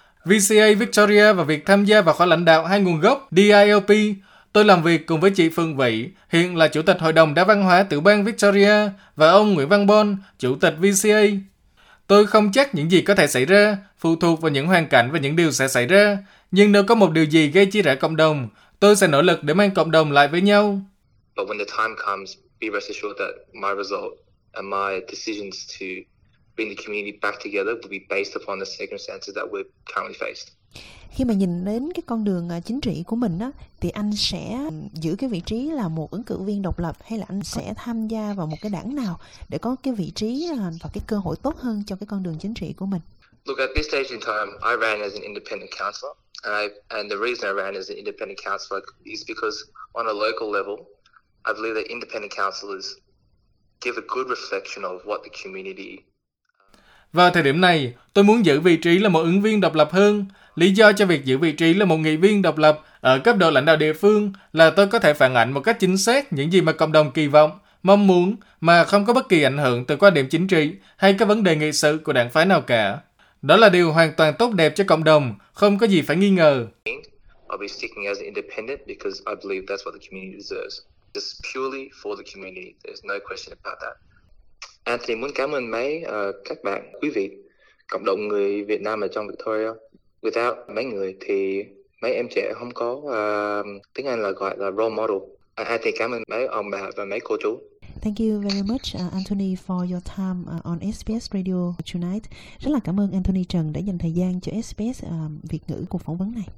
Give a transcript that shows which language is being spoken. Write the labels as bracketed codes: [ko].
[vi] VCA Victoria và việc tham gia vào khóa lãnh đạo hai nguồn gốc DILP, tôi làm việc cùng với chị Phương Vĩ, hiện là Chủ tịch Hội đồng Đa Văn hóa Tiểu bang Victoria, và ông Nguyễn Văn Bon, Chủ tịch VCA. Tôi không chắc những gì có thể xảy ra, phụ thuộc vào những hoàn cảnh và những điều sẽ xảy ra, nhưng nếu có một điều gì gây chia rẽ cộng đồng, tôi sẽ nỗ lực để mang cộng đồng lại với nhau. [en] But when the time comes, be rest assured that my result and my decisions to bring the community back together will be based upon the circumstances that we're currently faced. [vi] Khi mà nhìn đến cái con đường chính trị của mình á, thì anh sẽ giữ cái vị trí là một ứng cử viên độc lập hay là anh sẽ tham gia vào một cái đảng nào để có cái vị trí và cái cơ hội tốt hơn cho cái con đường chính trị của mình? [en] Look, at this stage in time, I ran as an independent councillor, and the reason I ran as an independent councillor is because on a local level, I believe that independent councillors give a good reflection of what the community. [vi] Vào thời điểm này, tôi muốn giữ vị trí là một ứng viên độc lập hơn. Lý do cho việc giữ vị trí là một nghị viên độc lập ở cấp độ lãnh đạo địa phương là tôi có thể phản ánh một cách chính xác những gì mà cộng đồng kỳ vọng, mong muốn mà không có bất kỳ ảnh hưởng từ quan điểm chính trị hay các vấn đề nghị sự của đảng phái nào cả. Đó là điều hoàn toàn tốt đẹp cho cộng đồng, không có gì phải nghi ngờ. [en] I'll be sticking as independent because I believe that's what the community deserves. Just purely for the community. There's no question about that. [vi] Anthony, muốn cảm ơn mấy các bạn, quý vị, cộng đồng người Việt Nam ở trong Victoria. Without mấy người thì mấy em trẻ không có tiếng Anh là gọi là role model. Anthony, cảm ơn mấy ông bà và mấy cô chú. [en] Thank you very much, Anthony, for your time on SBS Radio tonight. [vi] Rất là cảm ơn Anthony Trần đã dành thời gian cho SBS Việt ngữ cuộc phỏng vấn này.